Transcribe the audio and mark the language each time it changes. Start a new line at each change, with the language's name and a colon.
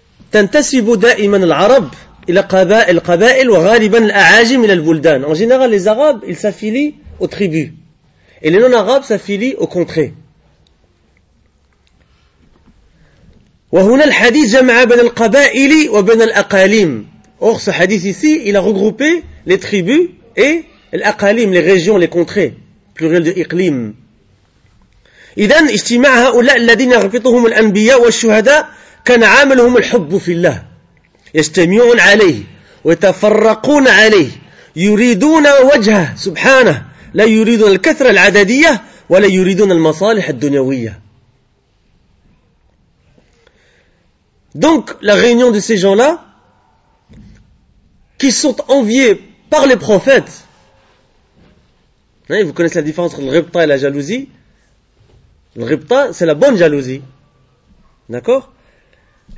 Arabic: Tantasibu da'iman al-arab إلى قبائل القبائل وغالبا الأعاجم إلى البلدان.
French: En général, les Arabes, ils s'affilient aux tribus. Et les non-Arabes s'affilient aux contrées.
Arabic: وهنا الحديث جمع بين القبائل وبين الأقاليم.
French: Or, ce hadith ici, il a regroupé les tribus et l'aqalim, les régions, les contrées. Pluriel de iqlim.
Arabic: إذن اجتماع هؤلاء الذين يرفضهم الأنبياء والشهداء كان عاملهم الحب في الله يجتمعون عليه ويتفرقون عليه يريدون وجهه سبحانه لا يريدون الكثرة العددية ولا يريدون المصالح الدنيوية.
French: Donc la réunion de ces gens-là qui sont enviés par les prophètes, hein, vous connaissez la différence entre le ribta et la jalousie. Le ribta, c'est la bonne jalousie. D'accord ?